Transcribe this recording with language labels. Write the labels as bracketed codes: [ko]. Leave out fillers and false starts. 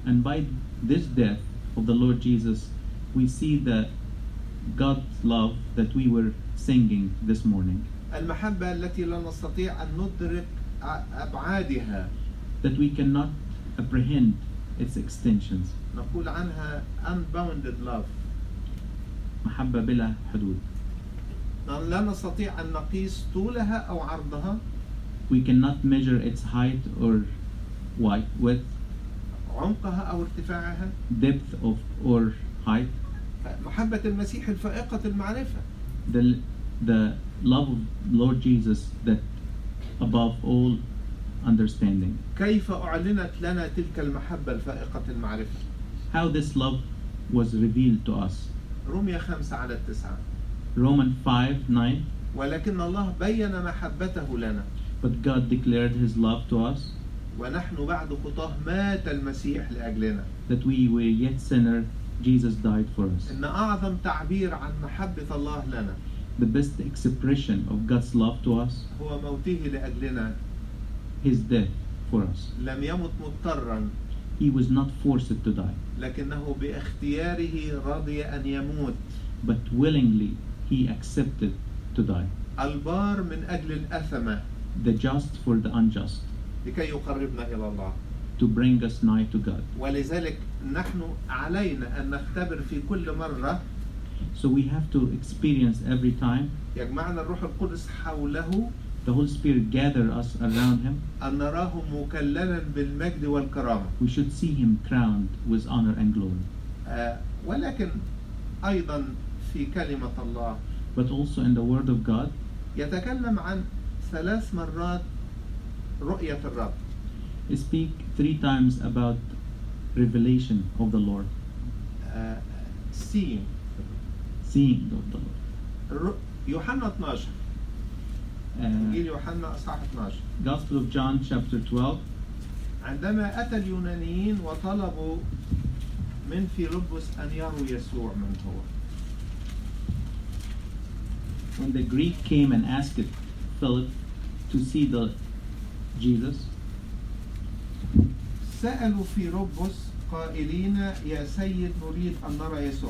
[en] And by this death of the Lord Jesus, we see the God's love that we were singing this morning. [ar] المحبة التي لا نستطيع أن ندرك أبعادها. [en] That we cannot apprehend its extensions. [ar] نقول عنها [en] unbounded love. [ar] محبة بلا حدود. لا نستطيع أن نقيس طولها أو عرضها. [en] We cannot measure its height or width. [ar] عمقها أو ارتفاعها. [en] Depth of or height. [ar] محبة المسيح الفائقة المعرفة. [en] The love of Lord Jesus that above all understanding. [ar] كيف أعلنت لنا تلك المحبة الفائقة المعرفة؟ [en] How this love was revealed to us. [ar] رومية 5 على 9. [en] Romans 5:9. [ar] ولكن الله بين محبته لنا. [en] But God declared His love to us. [ar] ونحن بعد خطاه مات المسيح لأجلنا. [en] That we were yet sinners, Jesus died for us. [ar] إن أعظم تعبير عن محبة الله لنا. [en] The best expression of God's love to us. [ar] هو موته لأجلنا. [en] His death for us. [ar] لم يمت مضطرا. [en] He was not forced to die. [ar] لكنه باختياره راضي أن يموت. [en] But willingly he accepted to die. [ar] البار من أجل الأثمة. [en] The just for the unjust. [ar] لكي يقربنا إلى الله. [en] To bring us nigh to God. [ar] ولذلك نحن علينا أن نختبر في كل مرة. [en] So we have to experience every time. [ar] يجمعنا الروح القدس حوله. [en] The Holy Spirit gather us around him. [ar] أن نراه مكللا بالمجد والكرامة. [en] We should see him crowned with honor and glory. [ar] ولكن أيضا في كلمة الله. [en] But also in the word of God. [ar] يتكلم عن ثلاث مرات رؤية الرب. [en] Speak three times about revelation of the Lord. Seeing of the Lord. [ar] يوحنا 12. إنجيل يوحنا أصحاح 12. [en] Gospel of John chapter 12. [ar] عندما أتى اليونانيين وطلبوا من فيلبس أن يروي يسوع من هو. [en] When the Greek came and asked Philip to see the Jesus. [ar] سألوا في ربوس قائلين يا سيد نريد أن نرى يسوع.